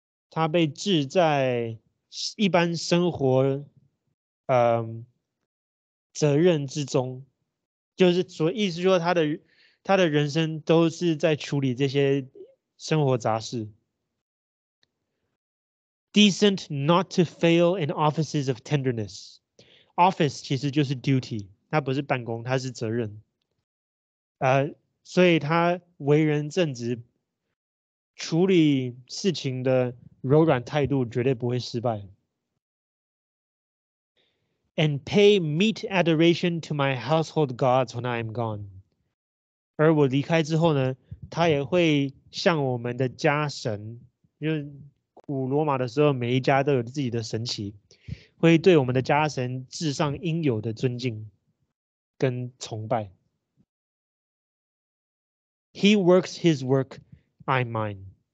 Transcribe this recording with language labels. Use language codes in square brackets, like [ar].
[zh] 他被置在一般生活责任之中，就是所意思说他的人生都是在处理这些生活杂事。 [en] Decent not to fail in offices of tenderness. [zh] Office 其实就是 duty， 他不是办公，他是责任所以他为人正直，处理事情的柔软态度绝对不会失败。 [en] And pay meet adoration to my household gods when I am gone. [zh] 而我离开之后呢，他也会像我们的家神，因为古罗马的时候每一家都有自己的神祇，会对我们的家神至上应有的尊敬跟崇拜。 [en] He works his work, I mine.